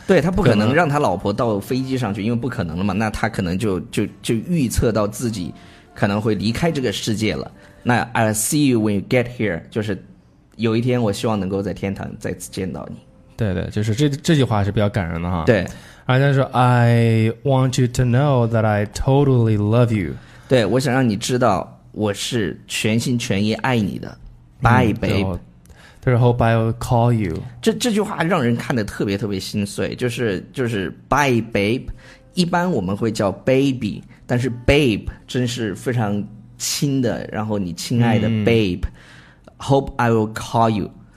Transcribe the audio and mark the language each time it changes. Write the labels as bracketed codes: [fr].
[zh] 对，他不可能让他老婆到飞机上去，因为不可能了嘛。那他可能就预测到自己可能会离开这个世界了。那 [en] I'll see you when you get here， [zh] 就是有一天我希望能够在天堂再次见到你。对对，就是这句话是比较感人的哈。对，然后他说 [en] I want you to know that I totally love you。 [zh] 对，我想让你知道我是全心全意爱你的。 [en] Bye babe。 I hope I'll call you。 [zh] 这句话让人看得特别特别心碎，就是 [en] Bye babe， [zh] 一般我们会叫 baby， 但是 babe 真是非常亲的，然后你亲爱的 babe、 [en] Hope I will call you。